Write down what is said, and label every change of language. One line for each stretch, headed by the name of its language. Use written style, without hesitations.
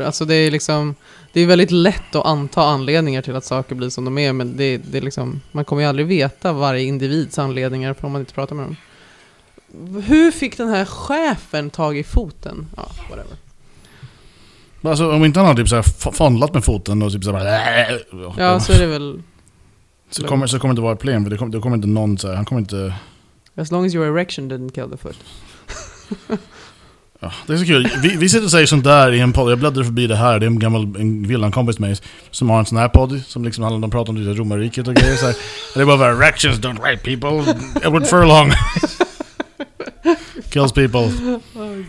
Swedish: Alltså det är liksom, det är väldigt lätt att anta anledningar till att saker blir som de är, men det är liksom, man kommer ju aldrig veta varje individs anledningar om man inte pratar med dem. Hur fick den här chefen tag i foten? Ja, whatever. Alltså, om inte han har typ så här fondlat med foten och typ så bara, ja, så är det väl. Så kommer det vara ett problem, för det kommer inte någon så här, han kommer inte,
English: as long as your erection didn't kill the foot.
Swedish: Ja, det är så kul. Vi sitter och säger sånt där i en podd. Jag bläddrar förbi det här. Det är en gammal villankompis med mig som har en sån här podd som liksom handlar om att prata om det romarriket och grejer.
English: Det är bara bara, erections don't rape people. Edward Furlong kills people. Oh,